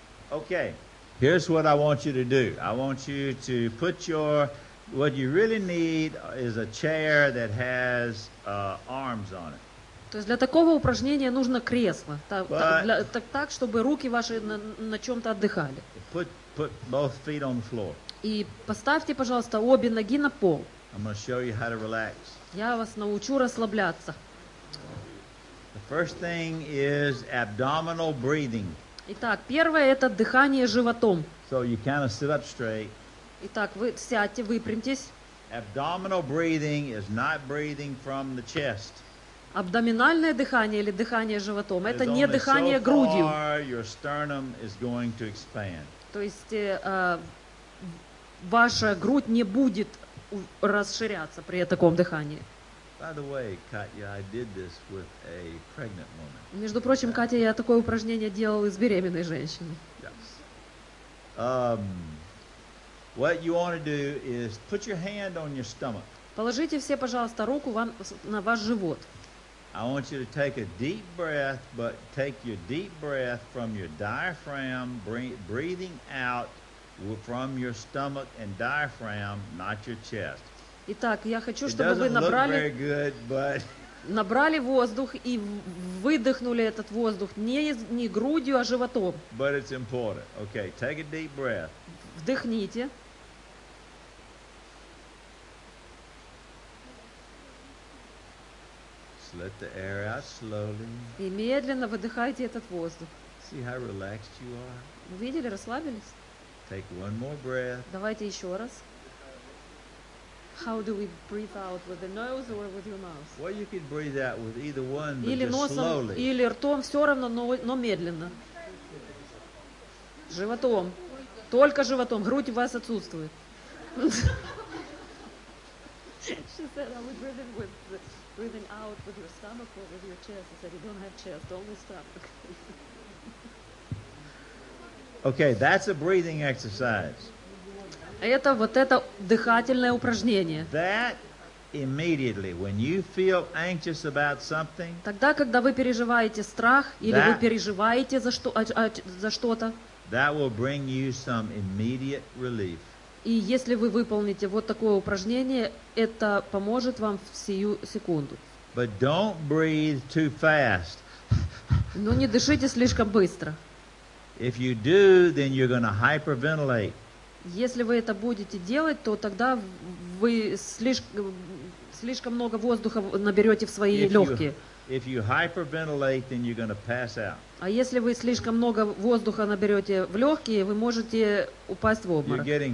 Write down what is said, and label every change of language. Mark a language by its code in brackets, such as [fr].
[en] Okay, here's what I want you to do. I want you to put your... What you really need is a chair that has arms on it. [ru] То есть для такого упражнения нужно кресло, так чтобы руки ваши на чем-то отдыхали. [en] Put both feet on the floor. [ru] И поставьте, пожалуйста, обе ноги на пол. [en] I'm going to show you how to relax. [ru] Я вас научу расслабляться. [en] The first thing is abdominal breathing. [ru] Итак, первое это дыхание животом. [en] So you kind of sit up straight. [ru] Итак, вы сядьте, выпрямьтесь. [en] Abdominal breathing is not breathing from the chest. [ru] Абдоминальное дыхание или дыхание животом – это не дыхание грудью. То есть ваша грудь не будет расширяться при таком дыхании. [en] By the way, Katya, I did this with a pregnant woman. [ru] Между прочим, Катя, я такое упражнение делал с беременной женщиной. [en] Yes. What you want to do is put your hand on your stomach. [ru] Положите все, пожалуйста, руку вам на ваш живот. [en] I want you to take a deep breath, but take your deep breath from your diaphragm, breathing out from your stomach and diaphragm, not your chest. [ru] Итак, я хочу, чтобы вы набрали воздух и выдохнули этот воздух не грудью, а животом. [en] But it's important. Okay, take a deep breath. [ru] Вдохните. [en] Just let the air out slowly. [ru] И медленно выдыхайте этот воздух. [en] See how relaxed you are? [ru] Вы видели, расслабились? [en] Take one more breath. [ru] Давайте еще раз. [en] How do we breathe out, with the nose or with your mouth? Well, you could breathe out with either one, but [ru] или [en] just [ru] носом, [en] slowly. [ru] Или ртом, все равно, но медленно. Животом. Только животом. Грудь у вас отсутствует. [en] She said, are we breathing with breathing out with your stomach or with your chest? I said, you don't have chest, only stomach. Okay, that's a breathing exercise. [ru] Это вот это дыхательное упражнение. [en] That immediately, when you feel anxious about something, [ru] тогда, когда вы переживаете страх или вы переживаете за что-то, [en] that will bring you some immediate relief. [ru] И если вы выполните вот такое упражнение, это поможет вам в сию секунду. [en] But don't breathe too fast. [ru] Но не дышите слишком быстро. [en] If you do, then you're going to hyperventilate. [ru] Если вы это будете делать, то тогда вы слишком много воздуха наберете в свои легкие. А если вы слишком много воздуха наберете в легкие, вы можете упасть в обморок.